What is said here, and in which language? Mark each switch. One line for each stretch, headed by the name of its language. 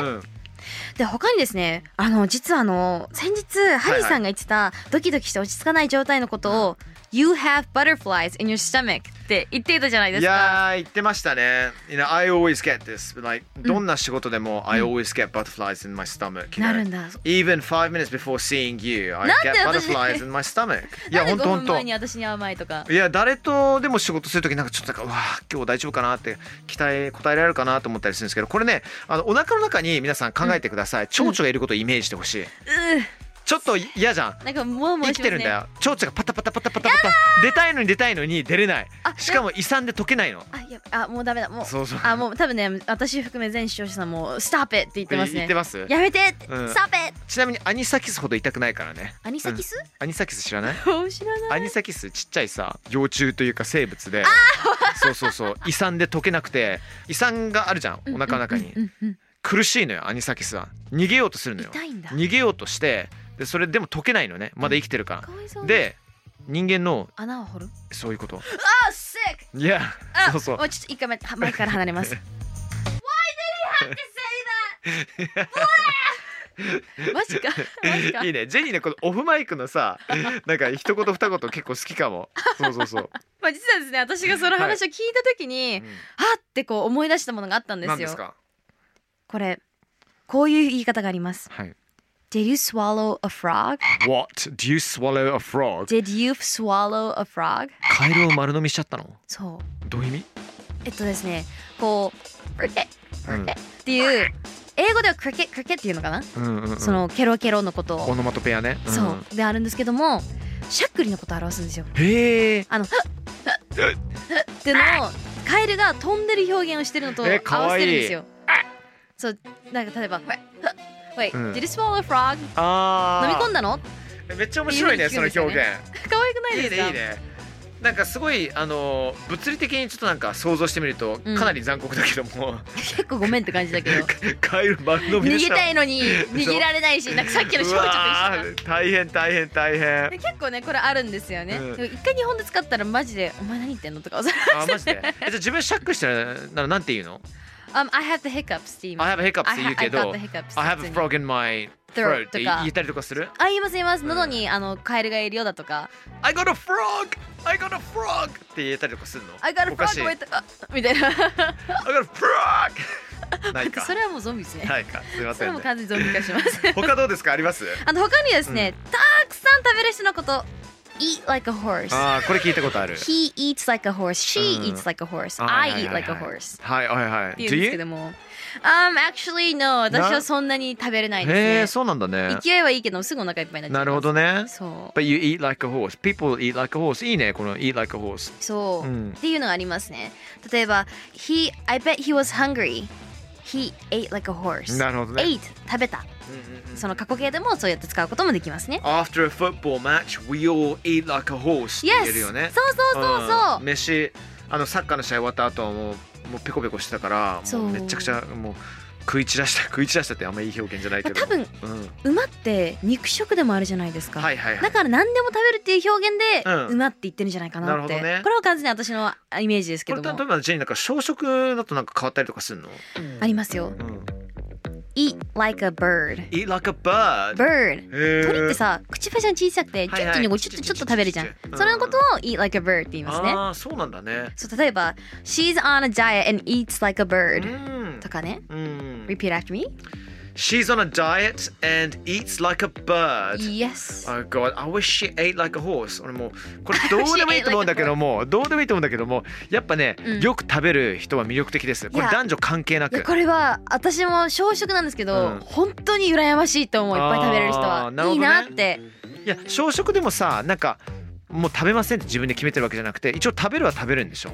Japanese: うん、で、他にですね、あの実はあの先日ハリーさんが言ってた、はいはい、ドキドキして落ち着かない状態のことを、うん、
English: You have butterflies in your stomach
Japanese: って言っていたじゃないですか。いやー、言ってましたね。
English: You know, I always get this like、うん、
Japanese: どんな仕事でも、
English: うん、I always get butterflies in my stomach、
Japanese: なるんだ。
English: Even 5 minutes before seeing you I get butterflies in my stomach。
Japanese: いや、本当本当、なんで5分前に私に甘いとか。いや、誰とでも仕事するときなんかちょっとなんか、わー、今日大丈夫かなって期待応えられるかなと思ったりするんですけど、これね、あのお腹の中に皆さん考えてください、うん、蝶々がいることをイメージしてほしい。うん、ちょっと嫌じゃん。なんかもうもうし、ね、生きてるんだよ。蝶々がパタパタパタパタパタ出たいのに出たいのに出れない。しかも胃酸で溶けないの。あ、もうダメだ。もう。そうそう。あ、もう多分ね、私含め全視聴者さんもうストップって言ってますね。言ってます。やめて。うん、ストップ。ちなみにアニサキスほど痛くないからね。アニサキス？うん、アニサキス知らない？知らない。アニサキスちっちゃいさ、幼虫というか生物で。あ、そうそうそう。胃酸で溶けなくて、胃酸があるじゃん、お腹の中に。うんうんうんうん、苦しいのよ、アニサキスは。逃げようとするのよ。痛いんだ。逃げようとして。で、それでも溶けないのね、まだ生きてるから、うん、かで、人間の穴を掘る、そういうこと。あー、シック。いや、そうそう、もうちょっと1回目、前から離れます。
English: Why did he have to say that?
Japanese: マジか、マジか。いいね、ジェニーね、このオフマイクのさ、なんか一言二言結構好きかも。そうそうそう。まあ実はですね、私がその話を聞いた時に、はい、うん、はってこう思い出したものがあったんですよ。なんですか。これ、こういう言い方があります。はい。
English: Did you swallow a frog? What? Did you swallow a frog? Did you swallow a frog?
Japanese: カエルを丸飲みしちゃったの？そう。どういう意味？ですね、こう、クリケット、クリケットっていう、英語ではクリケット、クリケットっていうのかな？うんうんうん、そのケロケロのことを。オノマトペアね。うん、そう。であるんですけども、しゃっくりのことを表すんですよ。へぇー。あの、っていうのを、カエルが飛んでる表現をしてるのと合わせてるんですよ。そう、なんか例えば、
English: Wait, did you swallow a frog?
Japanese: 飲み込んだの？めっちゃ面白いね、その表現。可愛くないですか？いいね、いいね。なんかすごい、物理的にちょっとなんか想像してみると、うん、かなり残酷だけども。結構ごめんって感じだけど。カエル丸飲みでした。逃げたいのに逃げられないし、なんかさっきの少女と一緒だ。大変大変大変。結構ね、これあるんですよね。うん、一回日本で使ったらマジで、お前何言ってんのとか。あ、マジで。じゃあ自分シャックしたら、なんて言うの？
English: I have the hiccups, Steve. I have a hiccups,
Japanese: って言うけど、
English: I have a frog in my throat,
Japanese: って言ったりとかする？あ、言います、言います。喉にあのカエルがいるようだとか。
English: I got a frog! I got a frog!
Japanese: って言ったりとかするの？
English: I got a frog!
Japanese: みたいな。
English: I got a frog!
Japanese: ないか。それはもうゾンビですね。ないか。すみません、ね。それも完全にゾンビ化します。他どうですか？あります？あの他にですね、うん、たくさん食べる人のこと。
English: Eat like a horse.
Japanese: ああ、これ聞いたことある。
English: He eats like a horse. She eats like a horse. I eat like a horse.
Japanese: はいはいはい。っていうんですけども、
English: actually no.
Japanese: 私はそんなに食べれないですね。へえ、そうなんだね。勢いはいいけど、すぐお腹いっぱいになっちゃう。なるほどね。そう。
English: But you eat like a horse. People eat like a horse.
Japanese: いいね、この eat like a horse. そう。っていうのがありますね。
English: 例えば、I bet he was hungry. He ate like a horse.
Japanese: なるほどね。 Ate 食べた。その過去形でもそうやって使うこともできますね。
English: After a football match, we all eat like a horse. Yes.
Japanese: 言えるよね。そうそうそうそう。飯、あのサッカーの試合終わった後はもうペコペコしてたから、もうめちゃくちゃもう食い散らした、食い散らしたってあんまいい表現じゃないけど。多分、うん、馬って肉食でもあるじゃないですか。はいはいはい。だから何でも食べるっていう表現で、うん、馬って言ってるんじゃないかなって。なるほどね。これは完全に私のイメージですけども。これ例えばジェニーなんか小食だとなんか変わったりとかするの？うん、ありますよ。うん、Eat like a bird.
English: Eat like a bird. Bird.
Japanese: 鳥ってさ、口パシャン小さくて、ちょっとにごちょっとちょっと食べるじゃん。それのことを eat like a bird って言いますね。ああ、そうなんだね。そう、例えば、
English: She's on a diet and eats like a bird.
Japanese: とかね。
English: Repeat after me. She's on a diet and eats like a bird. Yes. Oh God, I wish she ate like a horse.
Japanese: 俺もこれどうでもいいと思うんだけども、どうでもいいと思うんだけども、やっぱね、うん、よく食べる人は魅力的です。これ男女関係なく。いやこれは私も小食なんですけど、うん、本当に羨ましいと思う。いっぱい食べれる人はなるほど、ね、いいなって。いや小食でもさ、なんか。もう食べませんって自分で決めてるわけじゃなくて、一応食べるは食べるんでしょ。